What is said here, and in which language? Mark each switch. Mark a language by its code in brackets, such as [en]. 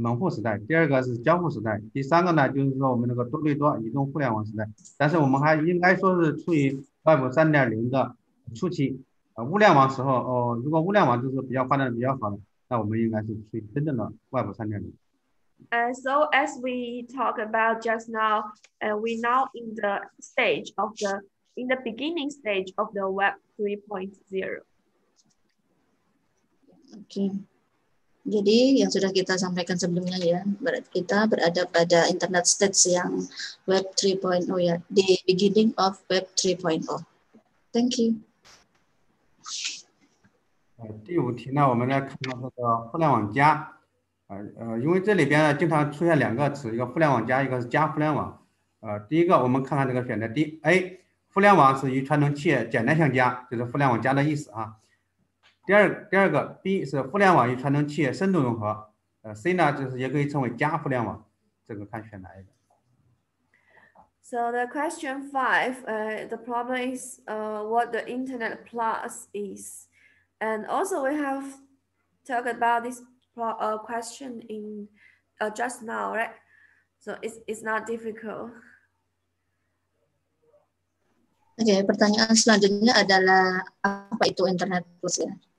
[zh] 门户时代，第二个是交互时代，第三个呢就是说我们那个多利多移动互联网时代，但是我们还应该说是处于 Web 3.0的初期，物联网时候哦，如果物联网就是比较发展的比较好的，那我们应该是处于真正的 Web 3.0。 [en] So as we talk about just now, we're now in the stage of the in the beginning stage of the Web 3.0. [id] Oke. Jadi yang sudah kita sampaikan sebelumnya ya, berarti kita berada pada internet stage yang Web 3.0 ya, [en] the beginning of Web 3.0. Thank you. [zh] 第五题呢，我们来看看这个互联网加，因为这里边呢经常出现两个词，一个互联网加，一个是加互联网。第一个我们看看这个选择题，A，互联网是与传统企业简单相加，就是互联网加的意思啊。第二个 B 是互联网与传统企业深度融合，C 呢就是也可以称为加互联网，这个看选哪一个。 [en] So the question five, the problem is what the internet plus is. And also, we have talked about this question in just now, right? So it's not difficult. [id] Oke, pertanyaan selanjutnya adalah apa itu internet plus ya?